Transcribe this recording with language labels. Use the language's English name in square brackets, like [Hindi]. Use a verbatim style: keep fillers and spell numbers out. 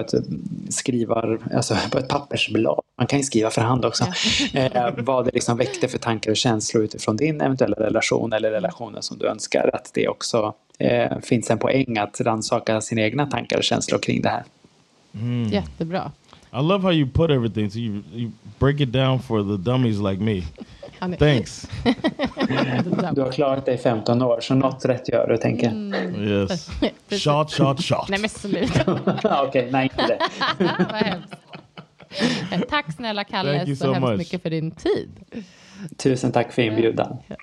[Swedish] på ett skrivar, alltså på ett pappersblad, man kan ju skriva för hand också, eh, vad det liksom väckte för tankar och känslor utifrån din eventuella relation eller relationer som du önskar, att det också eh, finns en poäng att rannsaka sina egna tankar och känslor kring det här. mm. Jättebra. [English] I love how you put everything. So you, you break it down for the dummies like me. Thanks. [Swedish] Du har klarat dig femton år, så något rätt gör du, tänker. [English] Mm. Yes. Shot, shot, shot. [Swedish] Nej, men sluta. Okej, okay, nej inte det. Vad hemskt. Tack snälla Kalle, [English] Thank you [Swedish] så hemskt [English] much. [Swedish] mycket för din tid. Tusen tack för inbjudan.